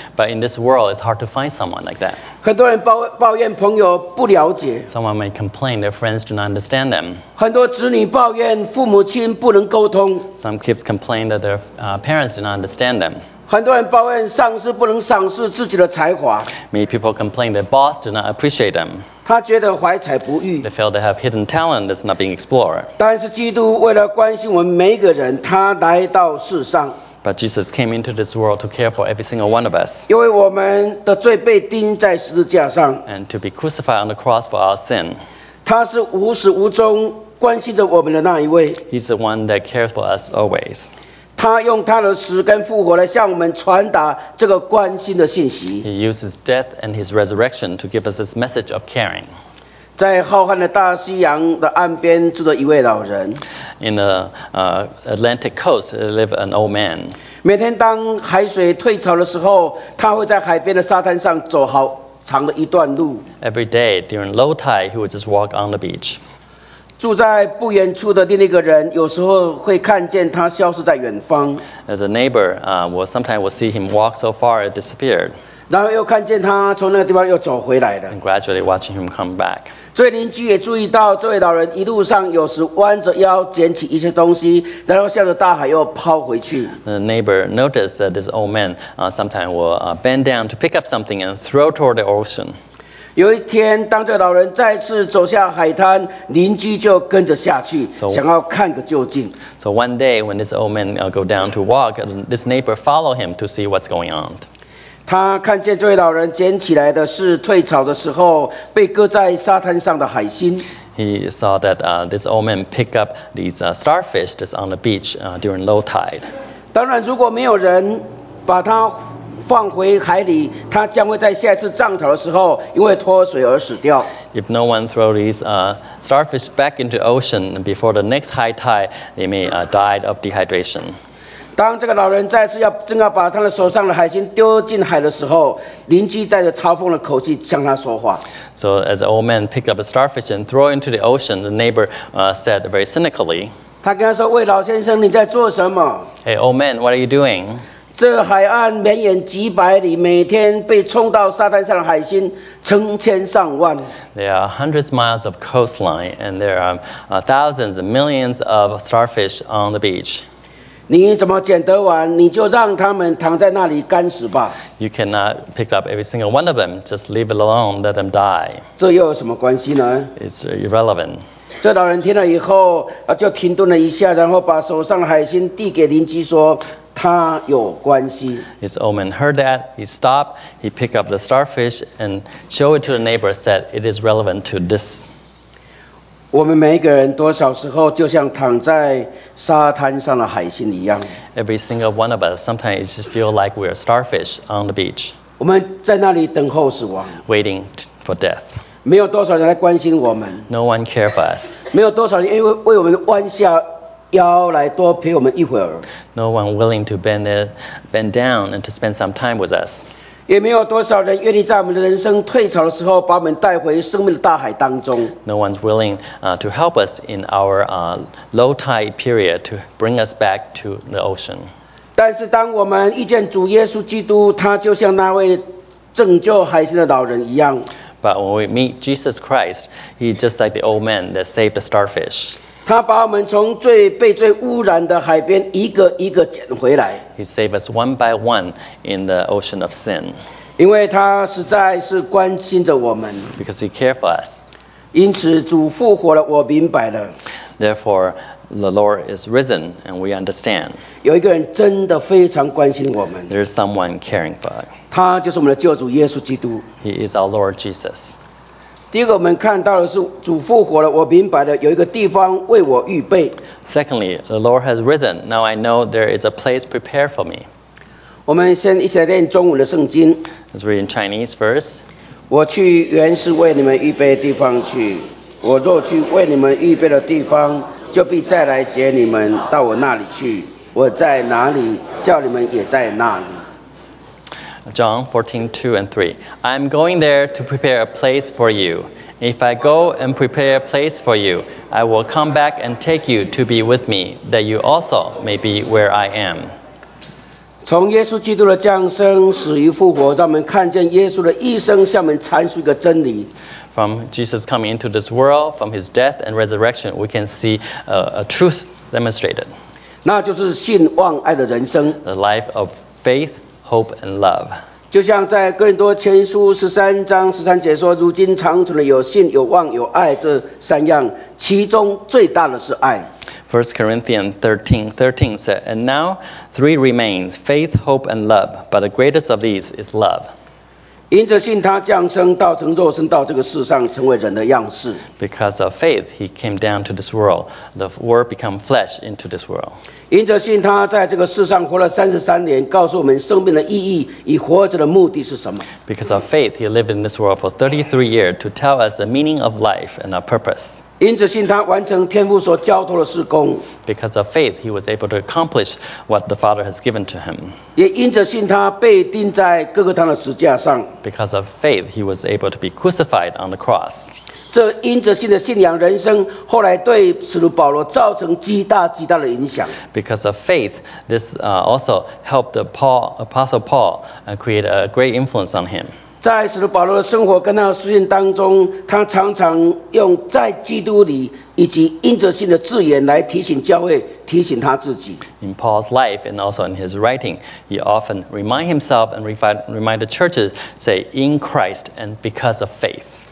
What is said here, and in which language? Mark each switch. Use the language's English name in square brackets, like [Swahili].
[English] But in this world, it's hard to find someone like that. [Chinese] 很多人抱怨朋友不了解。 [English] Someone may complain their friends do not understand them. [Chinese] 很多子女抱怨父母亲不能沟通。 [English] Some kids complain that their parents do not understand them. [Chinese] 很多人抱怨上司不能赏识自己的才华。 [English] Many people complain their boss do not appreciate them. [Chinese] 他觉得怀才不遇。 [English] They feel they have hidden talent that's not being explored. [Chinese] 但是基督为了关心我们每一个人，他来到世上。 [English] But Jesus came into this world to care for every single one of us. [Chinese] 因为我们的罪被钉在十字架上。 [English] And to be crucified on the cross for our sin. [Chinese] 他是无始无终关心着我们的那一位。 [English] He's the one that cares for us always. [Chinese] 他用他的死跟复活来向我们传达这个关心的信息。 [English] He uses death and his resurrection to give us this message of caring. [Chinese] 在浩瀚的大西洋的岸边住着一位老人。 [English] In the Atlantic coast, live an old man. [Chinese] 每天当海水退潮的时候，他会在海边的沙滩上走好长的一段路。 [English] Every day during low tide, he would just walk on the beach. [Chinese] 住在不远处的另一个人，有时候会看见他消失在远方。 [English] As a neighbor, we sometimes will see him walk so far it disappeared. [Chinese] 然后又看见他从那个地方又走回来的。 [English] And gradually watching him come back. [Chinese] 这位邻居也注意到这位老人一路上有时弯着腰捡起一些东西，然后向着大海又抛回去。 [English] The neighbor noticed that this old man sometimes will bend down to pick up something and throw toward the ocean. [Chinese] 有一天，当这老人再次走下海滩，邻居就跟着下去，想要看个究竟。 [English] So one day when this old man go down to walk, this neighbor follow him to see what's going on. [Chinese] 他看见这位老人捡起来的是退潮的时候被搁在沙滩上的海星。 [English] He saw that this old man pick up these starfish that's on the beach during low tide. [Chinese] 当然，如果没有人把它放回海里，它将会在下一次涨潮的时候因为脱水而死掉。 [English] If no one throws these starfish back into ocean before the next high tide, they may die of dehydration. [Chinese] 当这个老人再次要正要把他的手上的海星丢进海的时候，邻居带着嘲讽的口气向他说话。 [English] So as the old man picked up a starfish and threw it into the ocean, the neighbor said very cynically. [Chinese] 他跟他说：“喂，老先生，你在做什么 [English] ？”Hey, old man, what are you doing? [Chinese] 这海岸绵延几百里，每天被冲到沙滩上的海星成千上万。 [English] There are hundreds of miles of coastline, and there are thousands and millions of starfish on the beach. [Chinese] 你怎么捡得完，你就让他们躺在那里干死吧。 [English] You cannot pick up every single one of them. Just leave it alone, let them die. [Chinese] 这又有什么关系呢？ [English] It's irrelevant. [Chinese] 这老人听了以后，就停顿了一下，然后把手上海鲜递给邻居说，他有关系。 [English] His old man heard that. He stopped. He picked up the starfish and showed it to the neighbor, said it is relevant to this. [Chinese] 我们每一个人多少时候就像躺在沙滩上的海星一样。 [English] Every single one of us sometimes feel like we're starfish on the beach. [Chinese] 我们在那里等候死亡。 [English] Waiting for death. [Chinese] 没有多少人来关心我们。 [English] No one cares for us. [Chinese] 没有多少人为我们弯下腰来多陪我们一会儿。 [English] No one willing to bend down and to spend some time with us. [Chinese] 也没有多少人愿意在我们的人生退潮的时候把我们带回生命的大海当中。 [English] No one's willing to help us in our low tide period to bring us back to the ocean. [Chinese] 但是当我们遇见主耶稣基督，他就像那位拯救海星的老人一样。 [English] But when we meet Jesus Christ, he's just like the old man that saved the starfish. [Chinese] 他把我们从最被最污染的海边一个一个捡回来。 [English] He saved us one by one in the ocean of sin. [Chinese] 因为他实在是关心着我们。 [English] Because he cared for us. [Chinese] 因此主复活了，我明白了。 [English] Therefore, the Lord is risen, and we understand. [Chinese] 有一个人真的非常关心我们。 [English] There is someone caring for us. [Chinese] 他就是我们的救主耶稣基督。 [English] He is our Lord Jesus. [Chinese] 第一个我们看到的是主复活了，我明白了有一个地方为我预备。 [English] Secondly, the Lord has risen. Now I know there is a place prepared for me. [Chinese] 我们先一起来念中文的圣经。 [English] Let's read in Chinese first. [Chinese] 我去原是为你们预备的地方去，我若去为你们预备的地方，就必再来接你们到我那里去。我在哪里，叫你们也在那里。 [English] John 14:2-3. I am going there to prepare a place for you. If I go and prepare a place for you, I will come back and take you to be with me, that you also may be where I am. [Chinese] 从耶稣基督的降生、死与复活，让我们看见耶稣的一生向我们阐述一个真理。 [English] From Jesus coming into this world, from his death and resurrection, we can see a truth demonstrated. [Chinese] 那就是信望爱的人生。 [English] The life of faith. Hope and love. [Chinese] 就像在哥林多前书十三章十三节说，如今长存的有信、有望、有爱这三样，其中最大的是爱。 [English] First Corinthians 13:13 said, "And now three remains: faith, hope, and love. But the greatest of these is love." [Chinese] 因着信，他降生，道成肉身，到这个世上，成为人的样式。 [English] Because of faith, he came down to this world. The word became flesh into this world. [Chinese] 因着信，他在这个世上活了33年，告诉我们生命的意义与活着的目的是什么。 [English] Because of faith, he lived in this world for 33 years to tell us the meaning of life and our purpose. [Chinese] 因着信，他完成天父所交托的事工。 [English] Because of faith, he was able to accomplish what the Father has given to him. [Chinese] 也因着信，他被钉在哥哥他的十字架上。 [English] Because of faith, he was able to be crucified on the cross. [Chinese] 这因着信的信仰人生，后来对使徒保罗造成极大极大的影响。 [English] Because of faith, this also helped Apostle Paul create a great influence on him. [Chinese] 在使徒保罗的生活跟他的书信当中，他常常用在基督里以及因着信的字眼来提醒教会，提醒他自己。 [English] In Paul's life and also in his writing, he often remind himself and remind the churches, say, in Christ and because of faith.